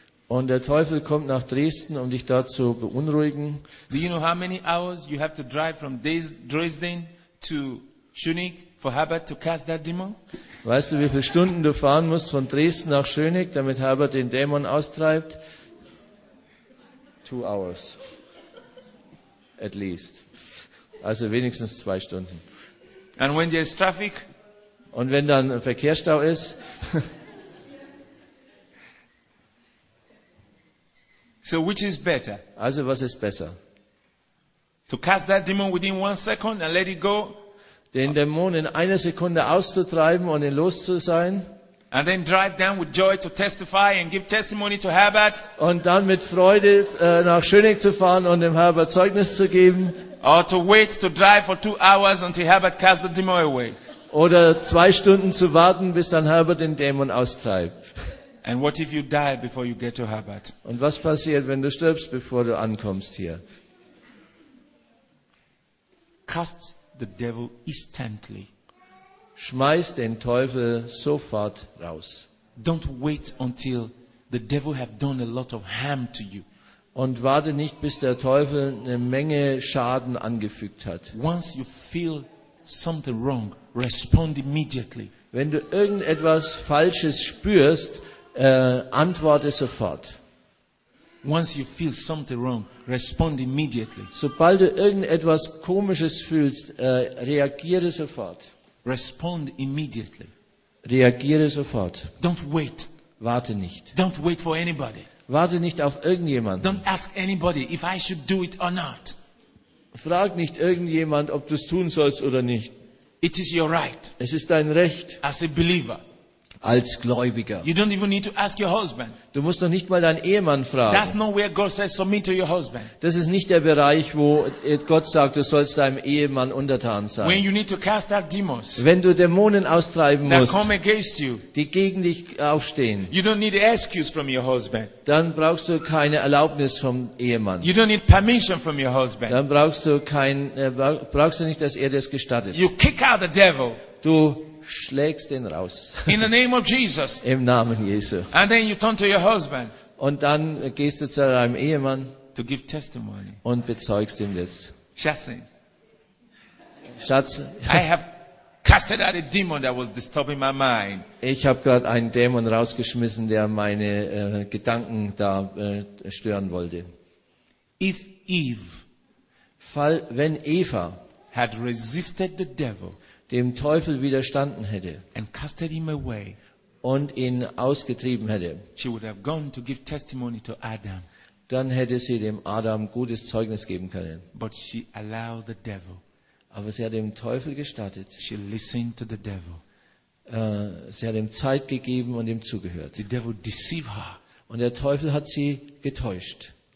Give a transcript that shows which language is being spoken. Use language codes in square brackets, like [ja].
[de] und der Teufel kommt nach Dresden, um dich dort zu beunruhigen. [en] Do you know how many hours you have to drive from Dresden to Schönig for Herbert to cast that demon? [de] Weißt du, wie viele Stunden du fahren musst von Dresden nach Schönig, damit Herbert den Dämon austreibt? [en] 2 hours. At least. [de] Also wenigstens 2 Stunden. [en] And when there is traffic? [de] Und wenn dann ein Verkehrsstau ist? [en] So which is better? [de] Also was ist besser? [en] To cast that demon within 1 second and let it go? [de] Den Dämon in einer Sekunde auszutreiben und ihn los zu sein? [en] And then drive down with joy to testify and give testimony to Herbert. [de] Und dann mit Freude nach Schönig zu fahren und dem Herbert Zeugnis zu geben. [en] Or to wait to drive for 2 hours until Herbert casts the demon away. [de] Oder 2 Stunden zu warten, bis dann Herbert den Dämon austreibt. [en] And what if you die before you get to Herbert? [de] Und was passiert, wenn du stirbst, bevor du ankommst hier? [en] Cast the devil instantly. [de] Schmeiß den Teufel sofort raus. [en] Don't wait until the devil have done a lot of harm to you. [de] Und warte nicht, bis der Teufel eine Menge Schaden angefügt hat. [en] Once you feel something wrong, respond immediately. [de] Wenn du irgendetwas Falsches spürst, antworte sofort. [en] Once you feel something wrong, respond immediately. [de] Sobald du irgendetwas Komisches fühlst, reagiere sofort. [en] Respond immediately. [de] Reagiere sofort. [en] Don't wait. [de] Warte nicht. [en] Don't wait for anybody. [de] Warte nicht auf irgendjemanden. [en] Don't ask anybody if I should do it or not. [de] Frag nicht irgendjemand, ob du es tun sollst oder nicht. [en] It is your right. [de] Es ist dein Recht. [en] As a believer. [de] Als Gläubiger. [en] You don't even need to ask your husband. [de] Du musst noch nicht mal deinen Ehemann fragen. [en] That's not where God says submit to your husband. [de] Das ist nicht der Bereich, wo Gott sagt, du sollst deinem Ehemann untertan sein. [en] When you need to cast out demons, [de] wenn du Dämonen austreiben [en] that [de] musst, [en] come against you, [de] die gegen dich aufstehen, [en] you don't need excuse from your husband. [de] Dann brauchst du keine Erlaubnis vom Ehemann. [en] You don't need permission from your husband. [de] Dann brauchst du nicht, dass er das gestattet. [en] You kick out the devil. [de] Du schlägst den raus. [en] In the name of Jesus. [de] Im Namen Jesu. [en] And then you turn to your husband. [de] Und dann gehst du zu deinem Ehemann. [en] To give testimony. [de] Und bezeugst ihm das. Schatz. [en] I have casted out a demon that was disturbing my mind. [de] Ich habe gerade einen Dämon rausgeschmissen, der meine Gedanken da stören wollte. [en] If Eve, [de] wenn Eva, [en] had resisted the devil, [de] dem Teufel widerstanden hätte [en] and casted him away, [de] und ihn ausgetrieben hätte, [en] she would have gone to give testimony to Adam. [de] dann hätte sie dem Adam gutes Zeugnis geben können. [en] But she allowed the devil. [de] Aber sie hat dem Teufel gestattet. [en] She listened to the devil. [de] Sie hat ihm Zeit gegeben und ihm zugehört. [en] The devil deceived her. [de] Und der Teufel hat sie getäuscht.